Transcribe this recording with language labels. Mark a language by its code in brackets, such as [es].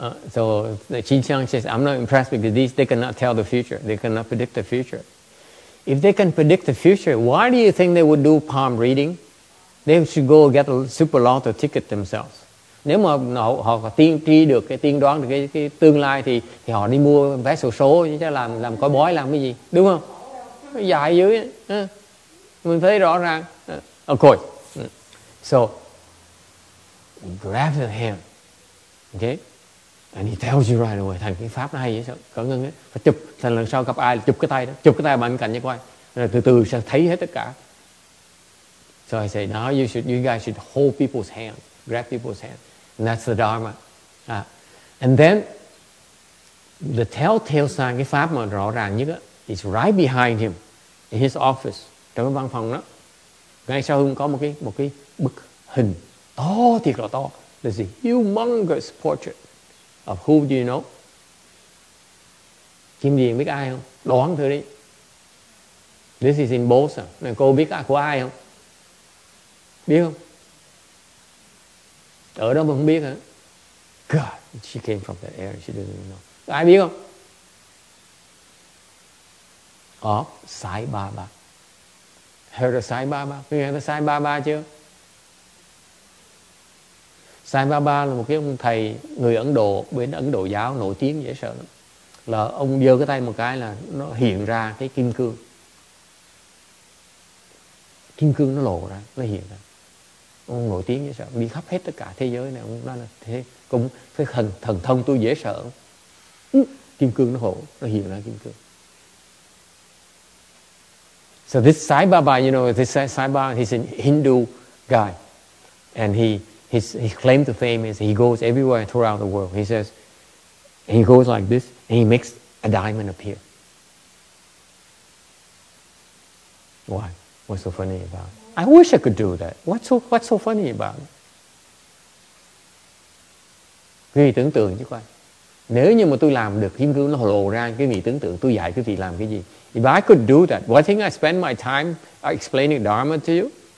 [en] So the Chin Chang says, I'm not impressed because they cannot tell the future. They cannot predict the future. If they can predict the future, why do you think they would do palm reading? They should go get a super lotto ticket themselves. [vi] Nếu mà họ có tiên tri được cái tiên đoán được cái tương lai thì họ đi mua vé xổ số chứ làm coi bói làm cái gì, đúng không? Dài dữ ấy. Mình thấy rõ ràng. Okay. [en] So grab the hand, okay, and he tells you right away. [vi] Thành cái pháp này vậy sao? Cẩn thận ấy, phải chụp. Thành lần sau gặp ai chụp cái tay đó, chụp cái tay bên cạnh cho coi, rồi từ từ sẽ thấy hết tất cả. [en] So I say, now you guys should hold people's hand, grab people's hand, and that's the Dharma. And then the telltale sign, [vi] cái pháp mà rõ ràng nhất đó, [en] is right behind him, in his office, [vi] trong cái văn phòng đó. Ngay sau hôm có một cái bức hình. To thiệt là to. [en] There's a humongous portrait of who do you know? [vi] Kim Điền biết ai không? Đoán thử đi. [en] This is in Bosa. [vi] Này cô biết ai của ai không? Biết không? Ở đó mà không biết hả? [en] God, she came from that area. She doesn't even know. [vi] Ai biết không? [en] Of Sai Baba. Heard of Sai Baba? [vi] Nghe thấy Sai Baba chưa? Sai Baba là một cái ông thầy người Ấn Độ, bên Ấn Độ giáo nổi tiếng dễ sợ lắm. Là ông giơ cái tay một cái là nó hiện ra cái kim cương. Kim cương nó lộ ra, nó hiện ra. Ông nổi tiếng dễ sợ, đi khắp hết tất cả thế giới này. Ông nói là thế, cũng cái thần thông tôi dễ sợ. kim cương nó hộ, nó hiện ra kim cương. [en] So this Sai Baba, you know, this Sai Baba, he's a Hindu guy, and he claims to fame is he goes everywhere throughout the world. He says, he goes like this, and he makes a diamond appear. Why? What's so funny about it? I wish I could do that. What's so funny about it? [vi] Quý vị tưởng tượng chứ coi. Nếu như mà tôi làm được kim cương nó lộ ra, quý vị tưởng tượng tôi dạy quý vị làm cái gì? [en] If I could do that, what thing I spend my time explaining Dharma to you?